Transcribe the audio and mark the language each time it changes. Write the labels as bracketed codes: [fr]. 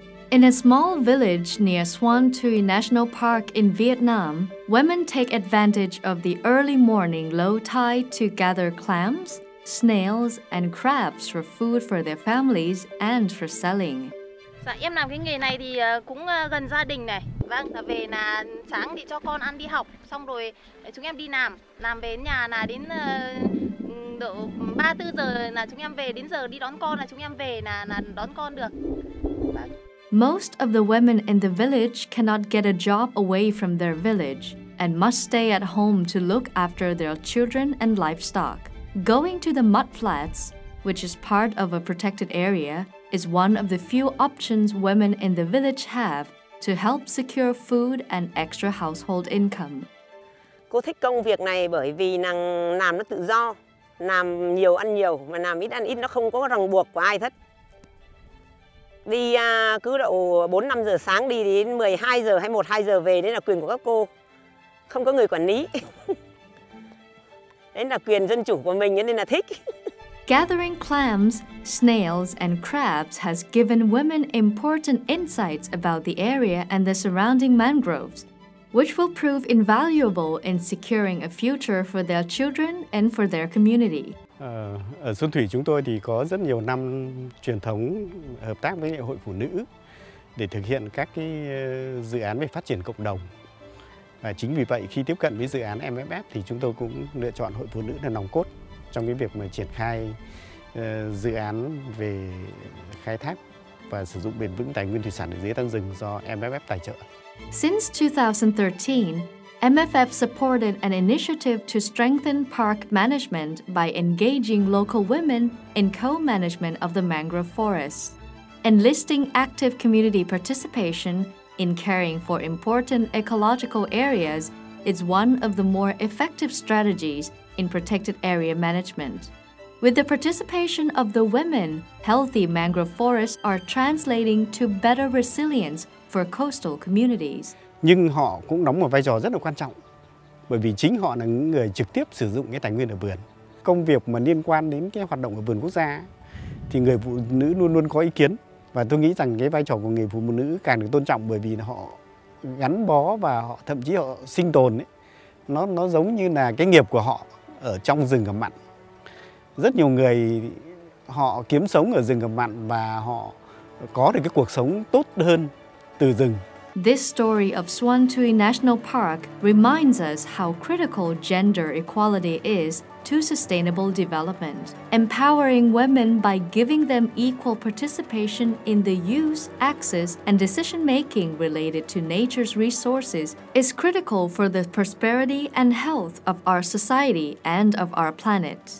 [en] In a small village near Suan Thuy National Park in Vietnam, women take advantage of the early morning low tide to gather clams, snails, and crabs for food for their families and for selling. [vi] Dạ, em làm cái nghề này thì cũng gần gia đình này. Vâng, là về là sáng thì cho con ăn đi học, xong rồi chúng em đi làm. Làm về nhà là đến độ 3-4 giờ là chúng em về, đến giờ đi đón con là chúng em về là đón con được. Vâng. [en] Most of the women in the village cannot get a job away from their village and must stay at home to look after their children and livestock. Going to the mud flats, which is part of a protected area, is one of the few options women in the village have to help secure food and extra household income. [vi] Cô thích công việc này bởi vì nàng làm nó tự do, làm nhiều ăn nhiều mà làm ít ăn ít nó không có ràng buộc của ai hết. Đi cứ đậu 4-5 giờ sáng đi đến 12 giờ hay 1-2 giờ về, đấy là quyền của các cô, không có người quản lý. Đấy là quyền dân chủ của mình, nên là thích. [en] Gathering clams, snails, and crabs has given women important insights about the area and the surrounding mangroves, which will prove invaluable in securing a future for their children and for their community. [vi] Ở Xuân Thủy chúng tôi thì có rất nhiều năm truyền thống hợp tác với hội phụ nữ để thực hiện các cái dự án về phát triển cộng đồng. Và chính vì vậy khi tiếp cận với dự án MFF thì chúng tôi cũng lựa chọn hội phụ nữ là nòng cốt trong cái việc mà triển khai dự án về khai thác và sử dụng bền vững tài nguyên thủy sản ở dưới tán rừng do MFF tài trợ. [en] Since 2013, MFF supported an initiative to strengthen park management by engaging local women in co-management of the mangrove forests, enlisting active community participation in caring for important ecological areas is one of the more effective strategies in protected area management. With the participation of the women, healthy mangrove forests are translating to better resilience for coastal communities. [vi] Nhưng họ cũng đóng một vai trò rất là quan trọng, bởi vì chính họ là những người trực tiếp sử dụng cái tài nguyên ở vườn. Công việc mà liên quan đến cái hoạt động ở vườn quốc gia thì người phụ nữ luôn luôn có ý kiến, và tôi nghĩ rằng cái vai trò của người phụ nữ càng được tôn trọng bởi vì họ gắn bó và họ thậm chí họ sinh tồn ấy. Nó giống như là cái nghiệp của họ ở trong rừng ngập mặn. Rất nhiều người họ kiếm sống ở rừng ngập mặn và họ có được cái cuộc sống tốt hơn từ rừng. [en] This story of Suan Thuy National Park reminds us how critical gender equality is to sustainable development. Empowering women by giving them equal participation in the use, access, and decision-making related to nature's resources is critical for the prosperity and health of our society and of our planet.